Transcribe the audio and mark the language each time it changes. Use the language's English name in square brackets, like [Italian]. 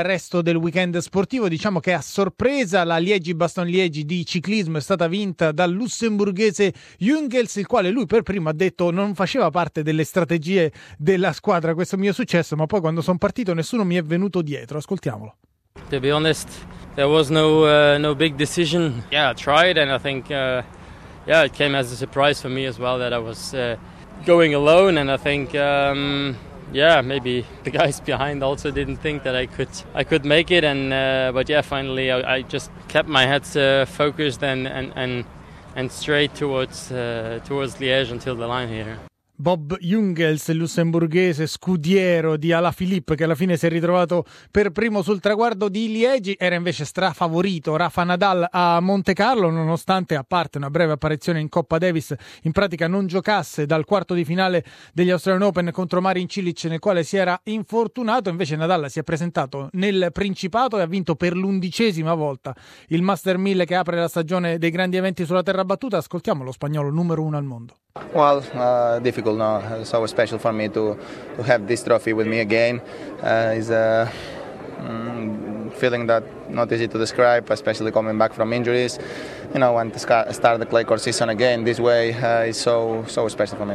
[Italian] resto del weekend sportivo. Diciamo che a sorpresa la Liegi-Bastogne-Liegi di ciclismo è stata vinta dal lussemburghese Jungels, il quale lui per primo ha detto non faceva parte delle strategie della squadra questo mio successo, ma poi quando sono partito nessuno mi è venuto dietro. Ascoltiamolo. [English] To be honest, there was no big decision. Yeah, I tried and I think it came as a surprise for me as well that I was going alone, and I think maybe the guys behind also didn't think that I could make it, and finally I just kept my head focused and straight towards Liège until the line here. [Italian] Bob Jungels, lussemburghese scudiero di Alaphilippe, che alla fine si è ritrovato per primo sul traguardo di Liegi, era invece strafavorito Rafa Nadal a Monte Carlo, nonostante, a parte una breve apparizione in Coppa Davis, in pratica non giocasse dal quarto di finale degli Australian Open contro Marin Cilic, nel quale si era infortunato. Invece Nadal si è presentato nel Principato e ha vinto per l'11ª volta il Master 1000, che apre la stagione dei grandi eventi sulla terra battuta. Ascoltiamo lo spagnolo numero uno al mondo. [English] Well, difficult now, so special for me to have this trophy with me again. It's a feeling that not easy to describe, especially coming back from injuries. You know, when to start the clay court season again this way, it's so special for me.